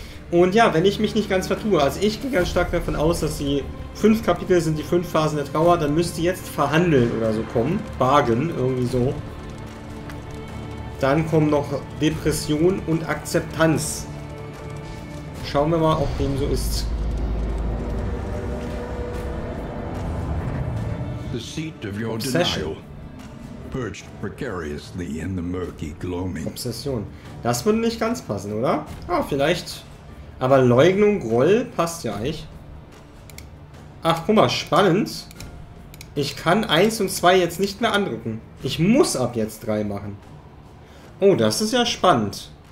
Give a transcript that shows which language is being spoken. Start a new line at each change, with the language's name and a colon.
German: Und ja, wenn ich mich nicht ganz vertue, also ich gehe ganz stark davon aus, dass die fünf Kapitel sind, die fünf Phasen der Trauer, dann müsste jetzt Verhandeln oder so kommen, Bargen, irgendwie so. Dann kommen noch Depression und Akzeptanz. Schauen wir mal, ob dem so ist.
English: The seat of your denial, perched precariously in the murky gloaming. Obsession.
German: Das würde nicht ganz passen, oder? Ah, vielleicht. Aber Leugnung, Groll passt ja eigentlich. Ach, guck mal, spannend. Ich kann 1 und 2 jetzt nicht mehr andrücken. Ich muss ab jetzt 3 machen. Oh, das ist ja spannend.